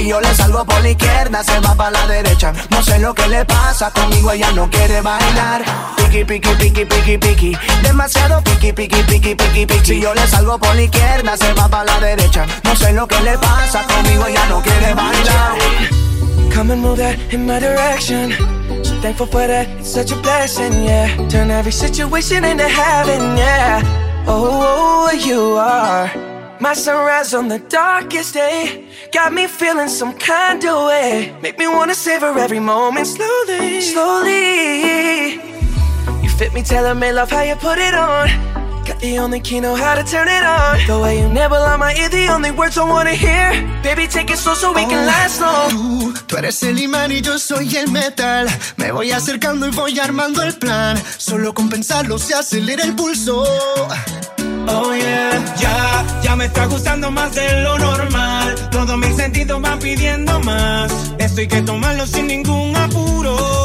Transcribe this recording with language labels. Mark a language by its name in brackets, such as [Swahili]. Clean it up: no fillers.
[Spanish] Si yo le salgo por la izquierda, se va para la derecha. No sé lo que le pasa, conmigo ella no quiere bailar. Piqui, piqui, piqui, piqui, piqui. Demasiado piqui, piqui, piqui, piqui, piqui. Si yo le salgo por la izquierda, se va para la derecha. No sé lo que le pasa, conmigo ella no quiere bailar. [English] Come and move that in my direction. So thankful for that, it's such a blessing, yeah. Turn every situation into heaven, yeah. Oh, you are my sunrise on the darkest day. Got me feeling some kind of way. Make me wanna savor every moment. Slowly, slowly. You fit me, tailor made, love how you put it on. Got the only key, know how to turn it on. The way you nibble on my ear, the only words I wanna hear. Baby, take it slow so we can last long. [Spanish] Tú eres el imán y yo soy el metal. Me voy acercando y voy armando el plan. Solo con pensarlo se acelera el pulso. [English] Oh yeah. [Spanish] Ya me está gustando más de lo normal. Todo mi sentido va pidiendo más. Esto hay que tomarlo sin ningún apuro.